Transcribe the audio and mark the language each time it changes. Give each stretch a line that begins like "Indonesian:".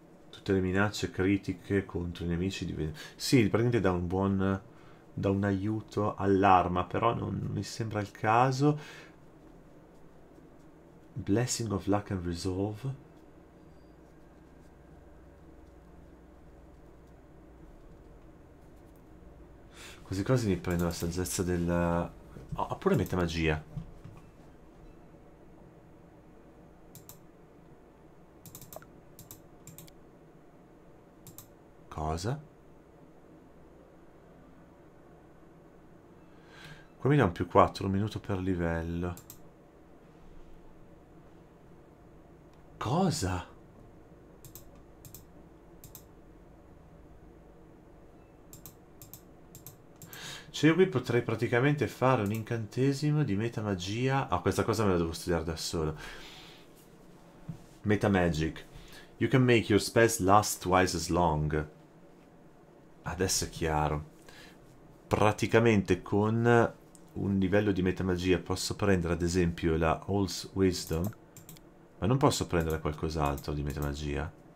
Italian: Tutte le minacce critiche contro i nemici diventano. Sì, praticamente dà un aiuto all'arma, però non mi sembra il caso.
English: Blessing of Luck and Resolve.
Italian: Quasi quasi mi prendo la saggezza del... oppure metamagia. Cosa? Qui mi dà un più 4, un minuto per livello. Cosa? Cioè, io qui potrei praticamente fare un incantesimo di metamagia. Ah, questa cosa me la devo studiare da solo.
English: Metamagic. You can make your spells last twice as long.
Italian: Adesso è chiaro. Praticamente con un livello di metamagia posso prendere ad esempio la All's Wisdom. Ma non posso prendere qualcos'altro di metamagia?